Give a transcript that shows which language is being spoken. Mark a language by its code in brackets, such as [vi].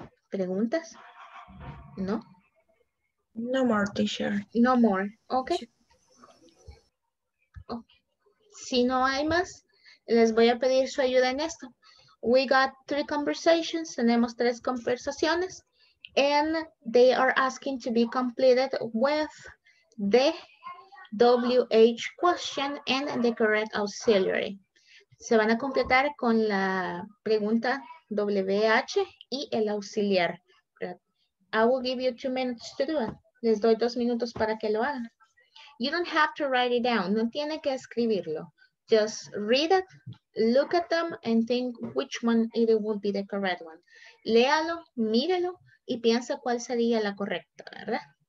[es] ¿Preguntas? ¿No? [en] No more, teacher. No more. Okay. [es] Si no hay más, les voy a pedir su ayuda en esto. [en] We got three conversations, [es] tenemos tres conversaciones, [en] and they are asking to be completed with the WH question and the correct auxiliary. [es] Se van a completar con la pregunta WH y el auxiliar. [en] I will give you 2 minutes to do it. [es] Les doy 2 minutos para que lo hagan. [en] You don't have to write it down. [es] No tiene que escribirlo. [en] Just read it, look at them, and think which one it would be the correct one. [es] Léalo, mírelo, y piensa cuál sería la correcta, ¿verdad?